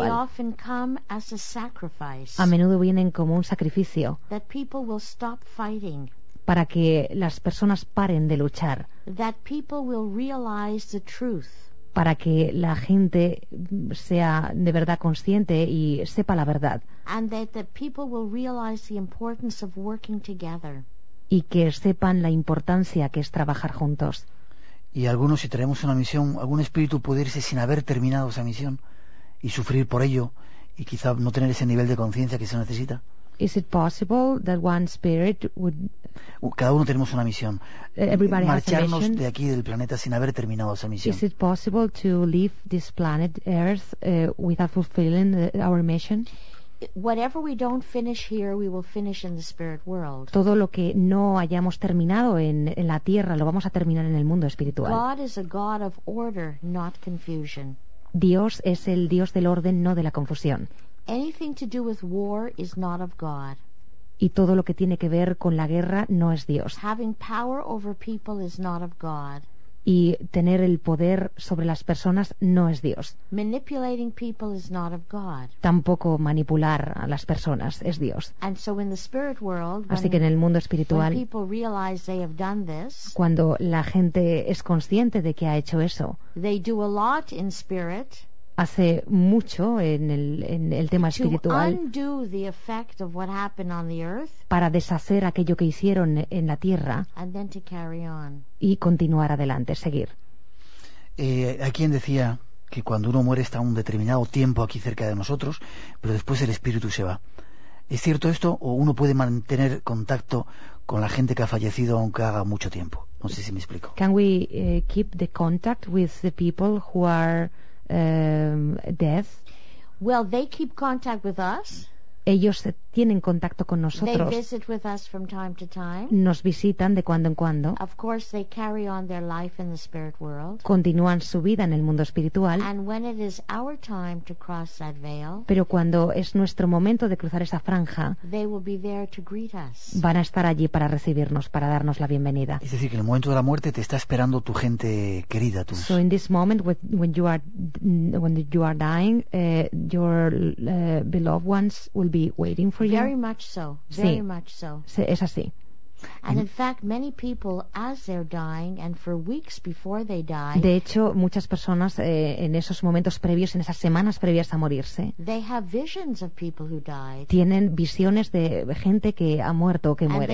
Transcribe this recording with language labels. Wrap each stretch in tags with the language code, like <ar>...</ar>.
<en>They often come as a sacrifice.</en> <es>A menudo vienen como un sacrificio.</es> <en>That people will stop fighting.</en> <es>Para que las personas paren de luchar.</es> <en>That people will realize the truth.</en> <es>Para que la gente sea de verdad consciente y sepa la verdad.</es> <en>And that the people will realize the importance of working together.</en> <es>Y que sepan la importancia que es trabajar juntos. Y algunos, si tenemos una misión, algún espíritu puede irse sin haber terminado esa misión y sufrir por ello y quizá no tener ese nivel de conciencia que se necesita.</es> <en>Is it possible that one spirit would?</en> <es>Cada uno tenemos una misión.</es> <en>Everybody</en> <es>marcharnos</es> <en>has a mission.</en> <es>De aquí del planeta sin haber terminado esa misión.</es> <en>Is it possible to leave this planet Earth without fulfilling our mission? Whatever we don't finish here, we will finish in the spirit world.</en> <es>Todo lo que no hayamos terminado en la tierra, lo vamos a terminar en el mundo espiritual.</es> <en>God is a God of order, not confusion.</en> <es>Dios es el Dios del orden, no de la confusión.</es> <en>Anything to do with war is not of God.</en> <es>Y todo lo que tiene que ver con la guerra no es Dios.</es> <en>Having power over people is not of God.</en> <es>Y tener el poder sobre las personas no es Dios.</es> <en>Manipulating people is not of God.</en> <es>Tampoco manipular a las personas es Dios.</es> <en>And so in the spirit world,</en> <es>así que en el mundo espiritual,</es> <en>when people realize they have done this,</en> <es>cuando la gente es consciente de que ha hecho eso,</es> <en>they do a lot in spirit,</en> <es>hace mucho en el tema espiritual,</es> <en>to undo the effect of what happened on the earth,</en> <es>para deshacer aquello que hicieron en la tierra,</es> <en>and then to carry on.</en> <es>Y continuar adelante, seguir. Hay quien decía que cuando uno muere está un determinado tiempo aquí cerca de nosotros, pero después el espíritu se va. ¿Es cierto esto o uno puede mantener contacto con la gente que ha fallecido aunque haga mucho tiempo? No sé si me explico.</es> <en>Can we keep the contact with the people who are death? Well, they keep contact with us.</en> <es>ellos tienen contacto con nosotros.</es> <en>They visit with us from time to time.</en> <es>Nos visitan de cuando en cuando.</es> <en>Of course, they carry on their life in the spirit world.</en> <es>Continúan su vida en el mundo espiritual.</es> <en>And when it is our time to cross that veil,</en> <es>pero cuando es nuestro momento de cruzar esa franja,</es> <en>they will be there to greet us.</en> <es>Van a estar allí para recibirnos, para darnos la bienvenida. Es decir, que en el momento de la muerte te está esperando tu gente querida, tus.</es> <en>So in this moment when you are dying, your beloved ones will be waiting for you. Very much so. Very much so.</en> <es>Sí, es así.</es> <en>And in fact, many people, as they're dying, and for weeks before they die.</en> <es>De hecho, muchas personas en esos momentos previos, en esas semanas previas a morirse.</es> <en>They have visions of people who died.</en> <es>Tienen visiones de gente que ha muerto o que muere.</es>